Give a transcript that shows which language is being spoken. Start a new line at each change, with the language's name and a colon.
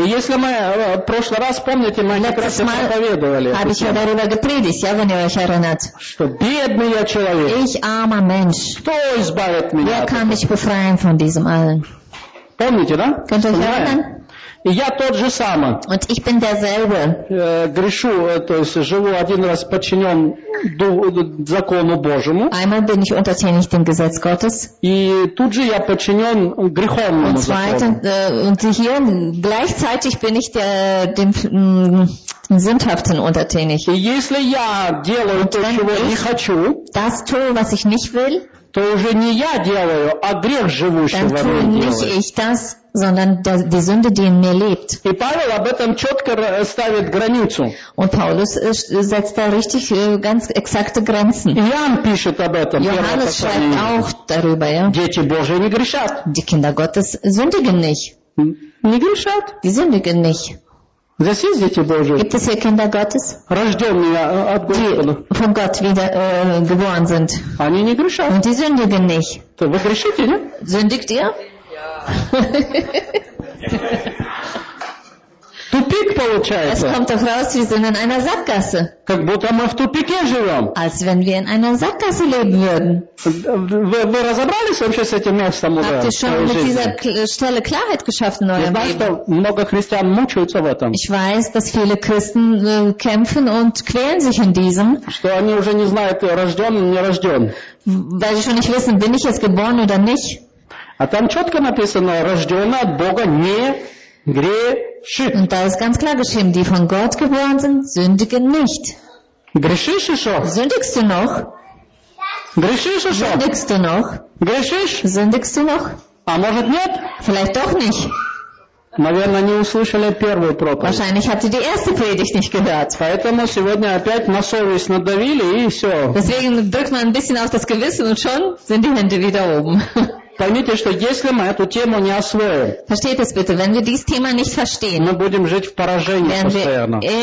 Russian: Если мы в прошлый раз помните, мы не раз проповедовали.
German: Habe ich ja darüber gepredigt, ja, wenn ihr euch erinnert.
Russian: Что бедный я человек.
German: Ich armer Mensch.
Russian: Кто избавит меня?
German: Wer kann mich befreien von diesem allen?
Russian: Помните, да?
German: Könnt ihr euch erinnern?
Russian: Я тот же самый.
German: Und ich bin derselbe.
Russian: Грешу, то есть живу один раз подчинен закону Божьему.
German: Einmal bin ich untertänig dem Gesetz Gottes.
Russian: И тут же я подчинен греховному закону.
German: Und hier gleichzeitig bin ich dem Sündhaften untertänig.
Russian: И если я делаю то, чего не хочу,
German: das tue, was ich nicht will,
Russian: то уже не я делаю, а грех живущий во мне делает.
German: Dann tue nicht ich das, sondern die Sünde, die in mir lebt.
Russian: И Павел об этом четко ставит границу.
German: Und Paulus setzt da richtig ganz exakte Grenzen.
Russian: Иоанн пишет об этом.
German: Johannes schreibt auch darüber, ja.
Russian: Дети Божьи не грешат.
German: Die Kinder Gottes sündigen nicht.
Russian: Не грешат.
German: Die sündigen nicht.
Russian: Здесь есть дети Божьи?
German: Gibt es hier Kinder Gottes?
Russian: Рожденные от Господа.
German: Die von Gott wieder geboren sind.
Russian: Они не грешат.
German: Und die sündigen nicht.
Russian: То вы грешите, да?
German: Sündigt ihr?
Russian: Тупик получается.
German: Es kommt doch raus, wir sind in einer Sackgasse.
Russian: Как будто мы в тупике живем.
German: Als wenn wir in einer Sackgasse leben würden.
Russian: Вы разобрались вообще с этим местом уже?
German: Habt ihr schon mit dieser Stelle Klarheit geschaffen in eurem Leben?
Russian: Я знаю, что много христиан мучаются в этом.
German: Ich weiß, dass viele Christen kämpfen und quälen sich in diesem.
Russian: Что они уже не знают, рожден или не рожден.
German: Weil sie schon nicht wissen, bin ich jetzt geboren oder nicht.
Russian: А там четко написано, рожденный от Бога не грешит.
German: Und da ist ganz klar geschrieben, die von Gott geboren sind, sündigen nicht.
Russian: Грешишь еще?
German: Сündigst du noch?
Russian: Грешишь еще?
German: Сündigst du noch?
Russian: Грешишь?
German: Сündigst du noch?
Russian: А может нет?
German: Vielleicht doch nicht.
Russian: Наверное, не услышали первую проповедь.
German: Wahrscheinlich habt ihr die erste Predigt nicht gehört.
Russian: Поэтому сегодня опять на совесть надавили и все.
German: Deswegen drückt man ein bisschen auf das Gewissen und schon sind die Hände wieder oben.
Russian: Поймите, что если мы эту тему не освоим,
German: Versteht es bitte, wenn wir dieses Thema nicht verstehen,
Russian: мы будем жить в поражении постоянно.